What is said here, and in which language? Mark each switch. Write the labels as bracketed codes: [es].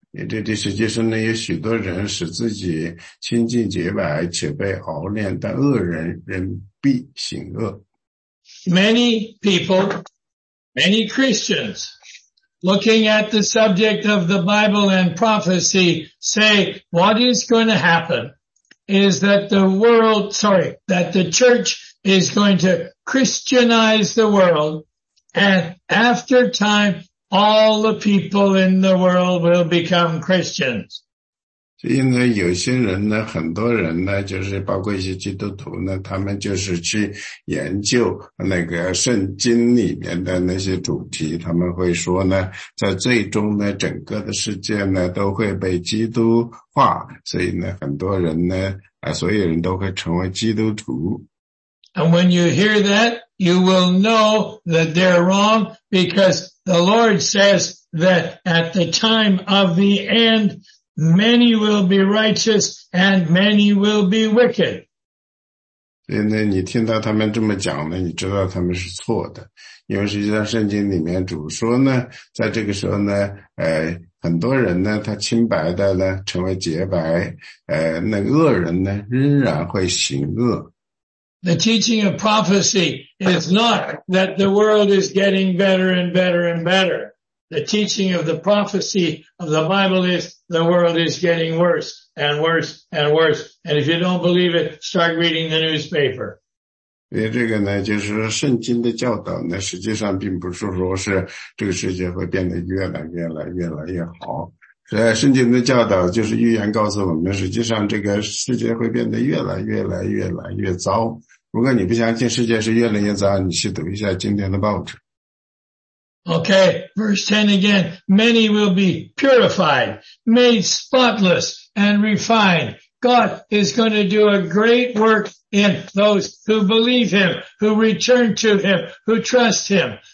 [zh] 这第十节说呢，有许多人使自己清净洁白且被熬炼，但恶人仍必行恶。 [en] Many people, many Christians looking at the subject of the Bible and prophecy say what is going to happen is that the church is going to Christianize the world, and after timeAll the people in the world will become Christians. [zh] 所以呢，有些人呢，很多人呢，就是包括一些基督徒呢，他们就是去研究那个圣经里面的那些主题，他们会说呢，在最终呢，整个的世界呢，都会被基督化，所以呢，很多人呢，所有人都会成为基督徒。 [en] And when you hear that, you will know that they're wrong, because the Lord says that at the time of the end, many will be righteous and many will be wicked. [zh] 所以你听到他们这么讲呢，你知道他们是错的。因为实际上圣经里面主说呢，在这个时候呢，很多人呢，他清白的呢，成为洁白，那恶人呢，仍然会行恶。 [en] The teaching of prophecy is not that the world is getting better and better and better. The teaching of the prophecy of the Bible is the world is getting worse and worse and worse. And if you don't believe it, start reading the newspaper. [zh] 这个呢，就是圣经的教导呢，实际上并不是说是这个世界会变得越来越来越来越好。圣经的教导就是预言告诉我们，实际上这个世界会变得越来越来越来越糟。如果你不相信世界是越来越糟，你去读一下今天的报纸。 [en] Okay, verse 10 again. Many will be purified, made spotless and refined. God is going to do a great work in those who believe him, who return to him, who trust him.